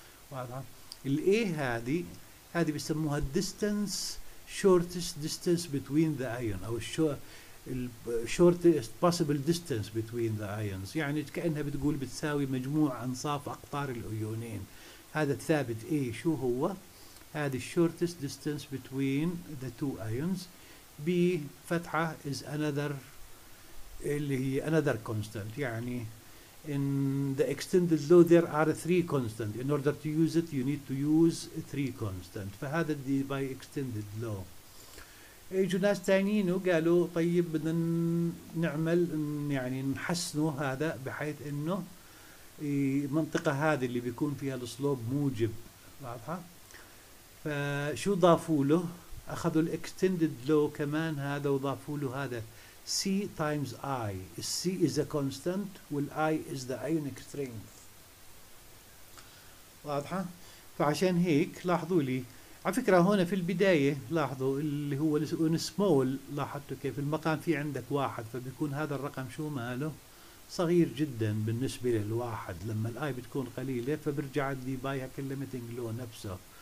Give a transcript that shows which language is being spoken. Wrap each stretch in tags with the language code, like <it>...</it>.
<ar>واضح؟ الاي هذه بيسموها</ar> <en>الديستنس shortest distance between the ion او الشورتست possible distance between the ions.</en> <ar>يعني كانها بتقول بتساوي مجموع انصاف اقطار الايونين. هذا الثابت اي شو هو؟ هذه</ar> <en>الشورتست distance between the two ions.</en> <ar>بي فتحه از انذر اللي هي انذر كونستنت.</ar> <en>يعني in the extended low there are three constant. In order to use it you need to use three constant.</en> <ar>فهذا الدي باي extended low. اجوا ناس تانيين وقالوا طيب بدنا نعمل يعني نحسنه هذا بحيث انه المنطقة هذه اللي بيكون فيها السلوب موجب. واضحة؟ فشو ضافوا له؟ اخذوا الاكستندد لو كمان هذا وضافوا له هذا C times I.</ar> <en>C is a constant والI is the ionic strength.</en> <ar>واضحة؟ فعشان هيك لاحظوا لي على فكرة هنا في البداية لاحظوا اللي هو small لاحظتوا كيف المقام في عندك واحد فبيكون هذا الرقم شو ماله صغير جدا بالنسبة للواحد. لما الI بتكون قليلة فبرجع الدي باي هاك الليميتنج لو نفسه.</ar>